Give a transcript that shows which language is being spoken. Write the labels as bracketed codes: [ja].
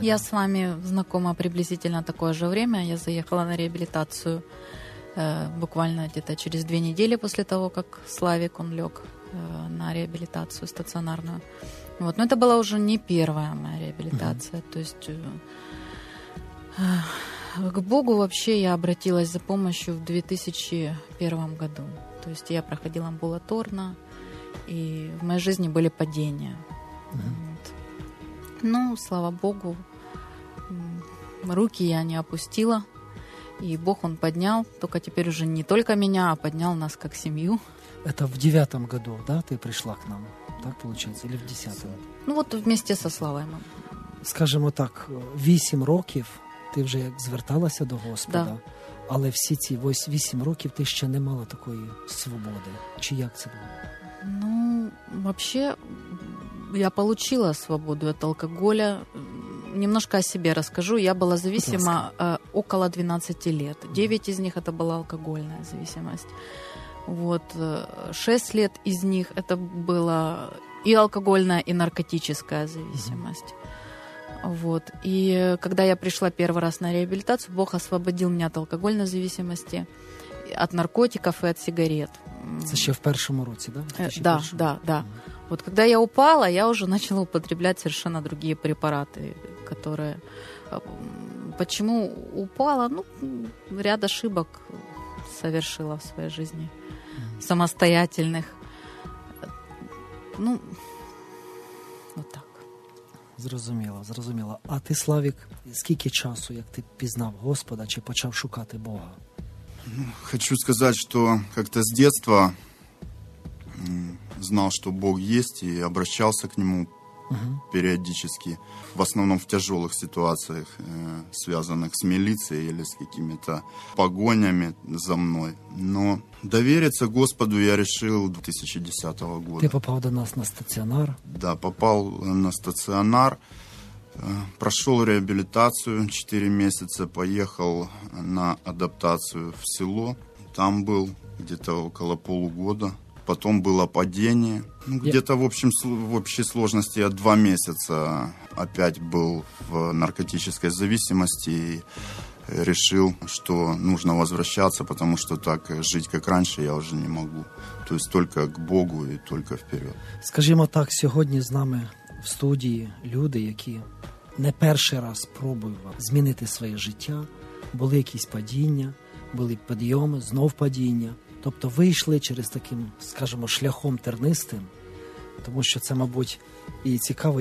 [ru] Я с вами знакома приблизительно такое же время, я заехала на реабілітацію. Буквально где-то через 2 недели после того, как Славик, он лег на реабилитацию стационарную. Вот. Но это была уже не первая моя реабилитация. Mm-hmm. То есть к Богу вообще я обратилась за помощью в 2001 году. То есть я проходила амбулаторно, и в моей жизни были падения. Mm-hmm. Вот. Ну, слава Богу, руки я не опустила. И Бог, он поднял, только теперь уже не только меня, а поднял нас как семью. Это в 2009 году, да, ты пришла к нам, так получается, или в 2010? Ну вот вместе со Славой мы. Скажем так, [uk] 8 років ты уже зверталася до Господа, да. Але всі ці 8 років ти ще не мала такої свободи. Чи як це було? [ru] Ну, вообще, я получила свободу от алкоголя. Немножко о себе расскажу. Я была зависима около 12 лет. 9 из них это была алкогольная зависимость. Вот. 6 лет из них это была и алкогольная, и наркотическая зависимость. Вот. И когда я пришла первый раз на реабилитацию, Бог освободил меня от алкогольной зависимости, от наркотиков и от сигарет. Это еще в первом уроке, да? Да, да, да. Вот когда я упала, я уже начала употреблять совершенно другие препараты, которые... Почему упала? Ну, ряд ошибок совершила в своей жизни, самостоятельных. Ну, вот так. [uk] Зрозуміло, зрозуміло. А ти, Славик, скільки часу, як ти пізнав Господа, чи почав шукати Бога? Ну, хочу сказати, що як-то з дитинства... [ru] знал, что Бог есть, и обращался к Нему периодически. В основном в тяжелых ситуациях, связанных с милицией или с какими-то погонями за мной. Но довериться Господу я решил 2010 года. Ты попал до нас на стационар? Да, попал на стационар. Прошел реабилитацию 4 месяца, поехал на адаптацию в село. Там был где-то около 1.5 года. Потом было падение. Ну, где-то в общей сложности я 2 месяца опять был в наркотической зависимости и решил, что нужно возвращаться, потому что так жить, как раньше, я уже не могу. То есть только к Богу и только вперед. Скажем так, сегодня с нами в студии люди, [uk] які не перший раз пробував змінити своє життя. Були якісь падіння, були підйоми, знов падіння. Тобто вийшли через таким, скажімо, шляхом тернистим, тому що це, мабуть, і цікаво.